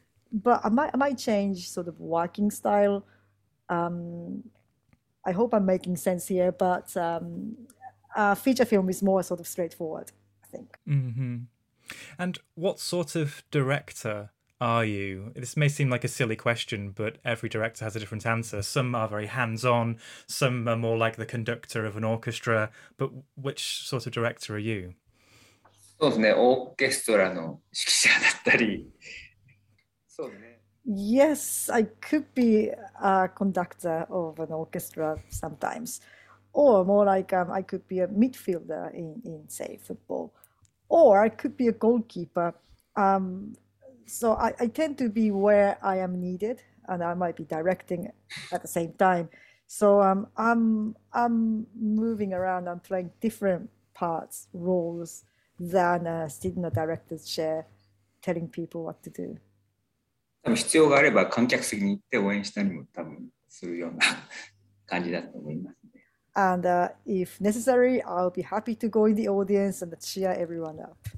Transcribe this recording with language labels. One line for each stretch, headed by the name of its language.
English: But I might change sort of working style. I hope I'm making sense here, but feature film is more sort of straightforward, I think. Mm-hmm. And what sort of director are you? This may seem like a silly question, but every director has a different answer. Some are very hands-on, some are more like the conductor of an orchestra, but which sort of director are you?
Japanese: そうですね、オーケストラの指揮者だったり。そうですね。
English: Yes, I could be a conductor of an orchestra sometimes. Or more like I could be a midfielder in say, football. Or I could be a goalkeeper. So I tend to be where I am needed, and I might be directing at the same time. So I'm moving around, I'm playing different parts, roles, than sitting in a director's chair telling people what to do.
Japanese: 多分必要があれば観客席に行って応援したりも多分するような感じだと思いますね。
English: And if necessary, I'll be happy to go in the audience and cheer everyone up.